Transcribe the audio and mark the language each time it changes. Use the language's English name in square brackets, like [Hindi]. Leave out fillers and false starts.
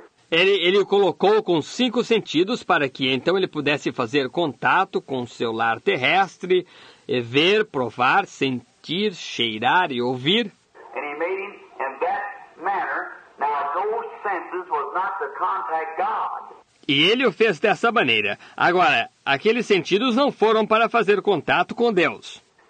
[Portuguese] Ele o colocou com 5 sentidos para que então ele pudesse fazer contato com seu lar terrestre, e ver, provar, sentir, cheirar e ouvir. [English] And he made him in that manner. Now, those senses was not to contact God. [Portuguese] E ele o fez dessa maneira. Agora, aqueles sentidos não foram para fazer contato com Deus.